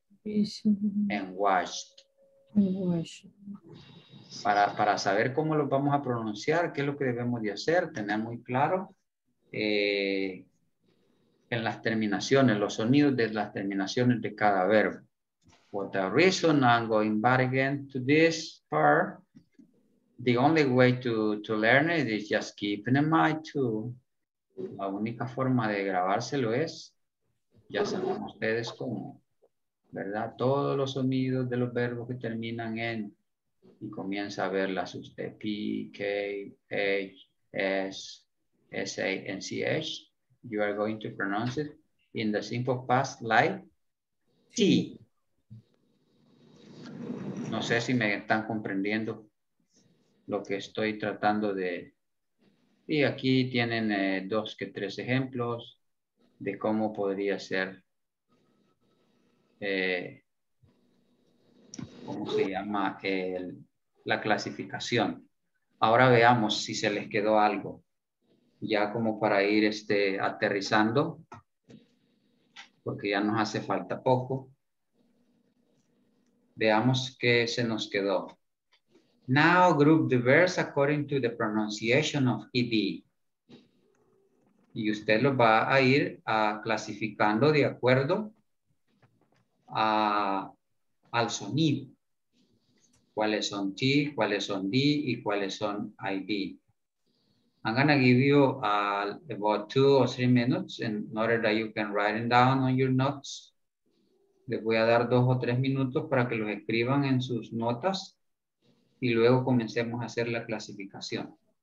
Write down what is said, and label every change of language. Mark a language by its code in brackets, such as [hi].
[en] and watched. [es] Para saber cómo lo vamos a pronunciar, qué es lo que debemos de hacer, tener muy claro en las terminaciones, los sonidos de las terminaciones de cada verbo. [en] For the reason I'm going back again to this part, the only way to learn it is just keeping in mind too. [es] La única forma de grabárselo es, ya saben ustedes cómo. ¿verdad? Todos los sonidos de los verbos que terminan en. Y comienza a ver las usted. P, K, H, S, S, A, N, C, H. [en] You are going to pronounce it in the simple past like T. [es] No sé si me están comprendiendo lo que estoy tratando de. Y aquí tienen dos que tres ejemplos de cómo podría ser. ¿Cómo se llama? La clasificación. Ahora veamos si se les quedó algo. Ya como para ir aterrizando. Porque ya nos hace falta poco. Veamos qué se nos quedó. [en] Now group the verbs according to the pronunciation of ED. [es] Y usted lo va a ir clasificando de acuerdo al sonido. ¿Cuáles son T, cuáles son D y cuáles son ID? [en] I'm going to give you about 2 or 3 minutes in order that you can write it down on your notes. [es] Les voy a dar 2 o 3 minutos para que los escriban en sus notas y luego comencemos a hacer la clasificación.